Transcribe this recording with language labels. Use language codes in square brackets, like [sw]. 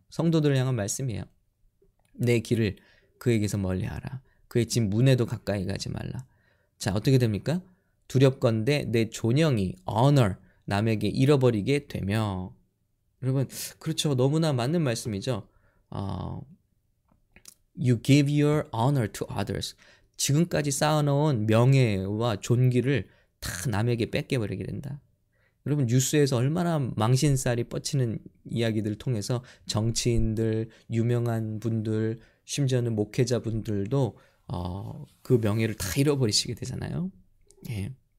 [ko] 성도들을 향한 말씀이에요. 내 길을 그에게서 멀리하라. 그의 집 문에도 가까이 가지 말라. 자, 어떻게 됩니까? 두렵건대 내 존영이 honor 남에게 잃어버리게 되며. 여러분, 그렇죠. 너무나 맞는 말씀이죠. [en] You give your honor to others. [ko] 지금까지 쌓아놓은 명예와 존귀를 다 남에게 뺏겨버리게 된다. 여러분, 뉴스에서 얼마나 망신살이 뻗치는 이야기들을 통해서 정치인들, 유명한 분들, 심지어는 목회자분들도 그 명예를 다 잃어버리시게 되잖아요. 예.